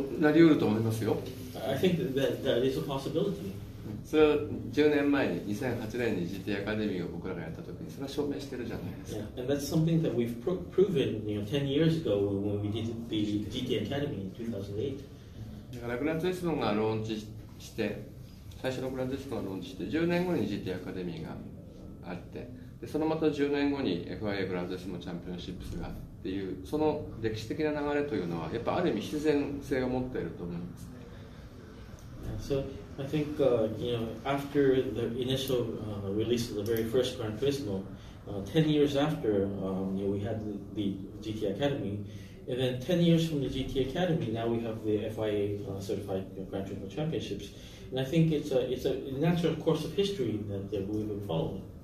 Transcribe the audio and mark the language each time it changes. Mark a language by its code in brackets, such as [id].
[ja] なりうると思いますよ。 [en] I think that there is a possibility. [ja] それは10年前に2008年に GT アカデミーを僕らがやったときにそれは証明してるじゃないですか。 [en] Yeah, and that's something that we've proven, you know, 10 years ago when we did the GT Academy in 2008. [ja] だからグランツーリスモがローンチして最初のグランツーリスモがローンチして10年後に GT アカデミーがあって、でそのまた10年後に FIA グランツーリスモチャンピオンシップスがっていうその歴史的な流れというのはやっぱある意味必然性を持っていると思いますね。 [en] Yeah, so,I think after the initial release of the very first Gran Turismo, 10 years after we had the GT Academy, and then 10 years from the GT Academy, now we have the FIA certified Gran Turismo Championships, and I think it's a natural course of history that we've been following.